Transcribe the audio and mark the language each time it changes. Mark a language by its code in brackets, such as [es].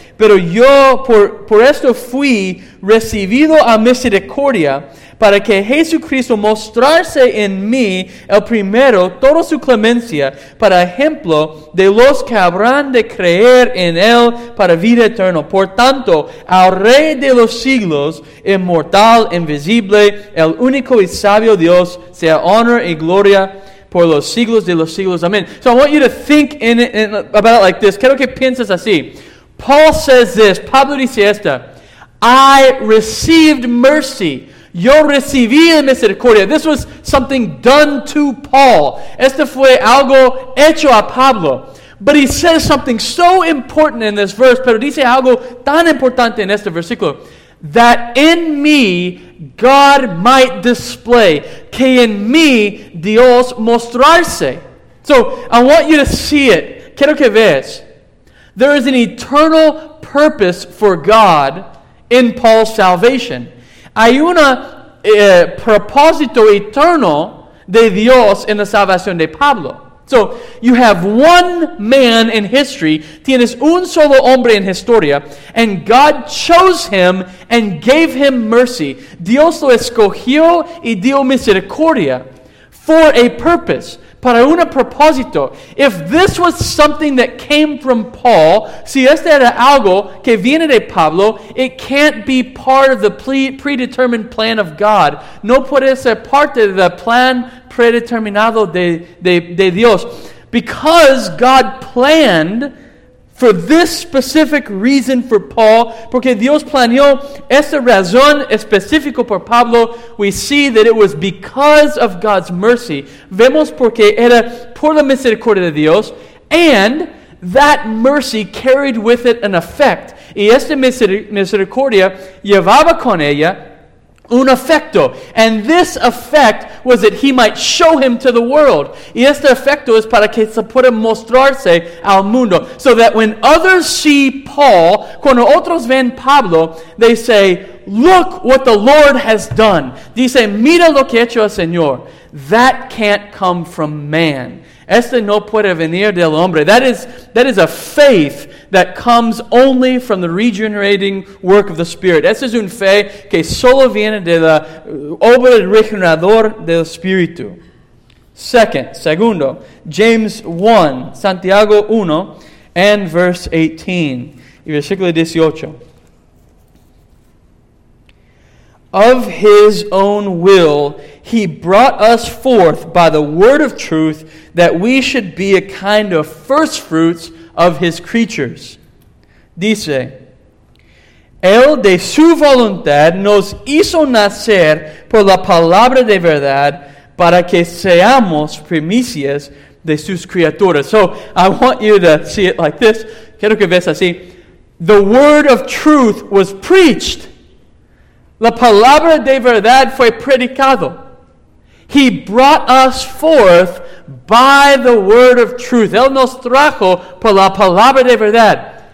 [es] Pero yo por esto fui recibido a misericordia, para que Jesucristo mostrase en mí el primero toda su clemencia, para ejemplo de los que habrán de creer en él para vida eterna. Por tanto, al Rey de los siglos, inmortal, invisible, el único y sabio Dios, sea honor y gloria por los siglos de los siglos. Amén. [en] So I want you to think in about it like this. [es] Quiero que pienses así. [en] Paul says this, [es] Pablo dice esta, [en] I received mercy. [es] Yo recibí misericordia. [en] This was something done to Paul. [es] Este fue algo hecho a Pablo. [en] But he says something so important in this verse, [es] pero dice algo tan importante en este versículo, [en] that in me God might display, [es] que en mí Dios mostrarse. [en] So I want you to see it. [es] Quiero que veas. [en] There is an eternal purpose for God in Paul's salvation. [es] Hay un propósito eterno de Dios en la salvación de Pablo. [en] So, you have one man in history, [es] tienes un solo hombre en historia, [en] and God chose him and gave him mercy. [es] Dios lo escogió y dio misericordia [en] for a purpose. [es] Para un propósito. [en] If this was something that came from Paul, [es] si este era algo que viene de Pablo, [en] it can't be part of the predetermined plan of God. [es] No puede ser parte del plan predeterminado de Dios. [en] Because God planned for this specific reason for Paul, [es] porque Dios planeó esta razón específica por Pablo, [en] we see that it was because of God's mercy. [es] Vemos porque era por la misericordia de Dios, [en] and that mercy carried with it an effect. [es] Y esta misericordia llevaba con ella un efecto. [en] And this effect was that he might show him to the world. [es] Y este efecto es para que se pueda mostrarse al mundo. [en] So that when others see Paul, [es] cuando otros ven Pablo, [en] they say, look what the Lord has done. [es] Dice, mira lo que ha hecho el Señor. [en] That can't come from man. [es] Este no puede venir del hombre. [en] That is a faith that comes only from the regenerating work of the Spirit. [es] Esa es una fe que solo viene de la obra regenerador del Espíritu. Segundo, James 1, Santiago 1, [en] and verse 18. [es] Y versículo 18. [en] Of his own will, he brought us forth by the word of truth, that we should be a kind of first fruits of his creatures. [es] Dice, él de su voluntad nos hizo nacer por la palabra de verdad, para que seamos primicias de sus criaturas. [en] So, I want you to see it like this. [es] Quiero que veas así. [en] The word of truth was preached. [es] La palabra de verdad fue predicado. [en] He brought us forth by the word of truth. [es] Él nos trajo por la palabra de verdad.